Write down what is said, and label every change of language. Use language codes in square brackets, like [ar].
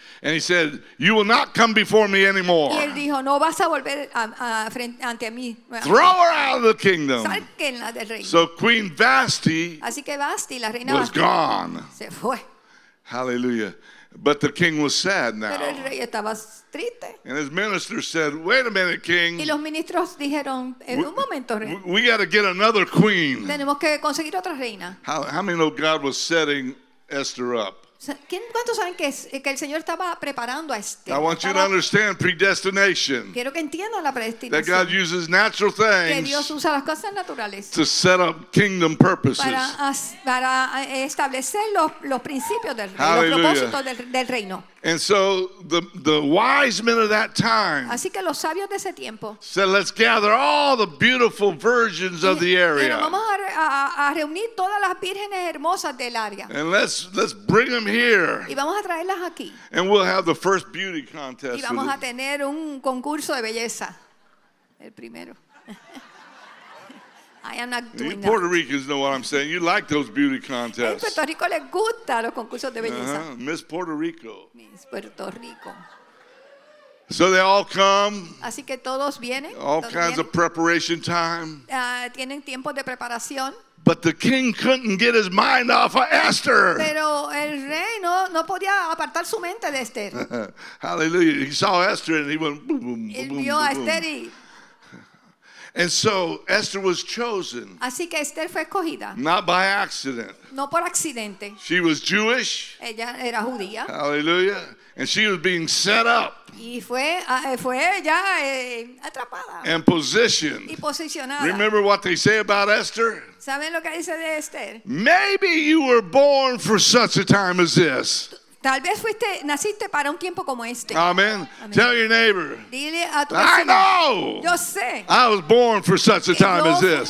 [en] And he said, you will not come before me anymore. [es] Y él dijo, no vas a volver ante mí. [en] Throw her out of the kingdom. [es] Sáquenla del reino. [en] So Queen Vashti, [es] así que Vashti, la reina [en] was Vashti, gone. [es] Se fue. [en] Hallelujah. But the king was sad now. [es] Pero el rey estaba triste. [en] And his minister said, wait a minute, king. [es] Y los ministros dijeron, en un momento, rey. [en] We got to get another queen. [es] Tenemos que conseguir otra reina. [en] How many know God was setting Esther up? [es] ¿Cuántos saben que el Señor estaba preparando a Esther? [en] I want you to understand predestination. [es] Quiero que entiendan la predestinación. [en] That God uses natural things. [es] Que Dios usa las cosas naturales. [en] To set up kingdom purposes. [es] Para establecer los principios del reino, los propósitos del reino. [en] And so the wise men of that time. [es] Así que los sabios de ese tiempo. [en] Said, let's gather all the beautiful virgins of the area. [es] Vamos a reunir todas las vírgenes hermosas del área. [en] And let's bring them here. [es] Y vamos a traerlas aquí. [en] And we'll have the first beauty contest. [es] Y vamos a tener un concurso de belleza. El primero. [en] I am not doing you Puerto that. Ricans know what I'm saying. You like those beauty contests. [es] En Puerto Rico les gusta los concursos de belleza. [en] Uh-huh. Miss Puerto Rico. Miss Puerto Rico. So they all come. [es] Así que todos vienen. [en] All [es] todos [en] kinds [es] vienen. [en] Of preparation time. [es] Tienen tiempo de preparación. [en] But the king couldn't get his mind off of Esther. [es] Pero el rey no podía apartar su mente de Esther. [en] Hallelujah. He saw Esther and he went boom, boom, boom, boom. [es] Él vio a Esther y... [en] And so Esther was chosen. [es] Así que Esther fue escogida. [en] Not by accident. [es] No por accidente. [en] She was Jewish. [es] Ella era judía. [en] Hallelujah. And she was being set up. [es] Y fue ya atrapada. [en] And positioned. [es] Y posicionada. [en] Remember what they say about Esther? [es] ¿Saben lo que dice de Esther? [en] Maybe you were born for such a time as this. [es] Tal vez fuiste, naciste para un tiempo como este. [en] Amen. Tell your neighbor. [es] Dile a tu vecino. [en] I know. [es] Yo sé. [en] I was born for such a time as this.